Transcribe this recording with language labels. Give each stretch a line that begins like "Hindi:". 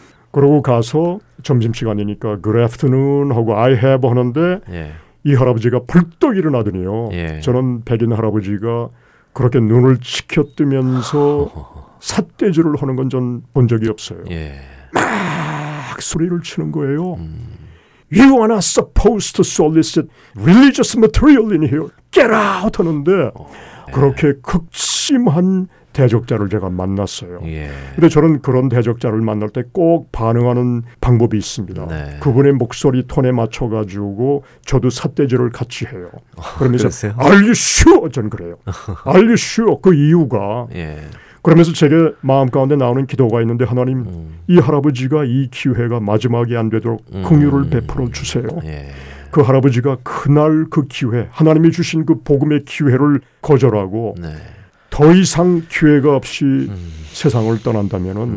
Korean: 그러고 가서 점심시간이니까
English: Good afternoon
Korean: 하고
English: I have
Korean: 하는데 예. 이 할아버지가 벌떡 일어나더니요. 예. 저는 백인 할아버지가 그렇게 눈을 치켜뜨면서 삿대질을 하는 건 전 본 적이 없어요. 예. 막 소리를 치는 거예요.
English: You are not supposed to solicit religious material in here. Get out!
Korean: 하는데 그렇게 극심한 대적자를 제가 만났어요. 그런데 예. 저는 그런 대적자를 만날 때 꼭 반응하는 방법이 있습니다. 네. 그분의 목소리 톤에 맞춰가지고 저도 삿대질을 같이 해요. 그러면서
English: Are you sure?
Korean: 저는 그래요.
English: Are you sure?
Korean: 그 이유가 예. 그러면서 제게 마음가운데 나오는 기도가 있는데 하나님 이 할아버지가 이 기회가 마지막이 안 되도록 긍휼을 베풀어 주세요. 예. 그 할아버지가 그날 그 기회 하나님이 주신 그 복음의 기회를 거절하고 네. 더 이상 기회가 없이 세상을 떠난다면은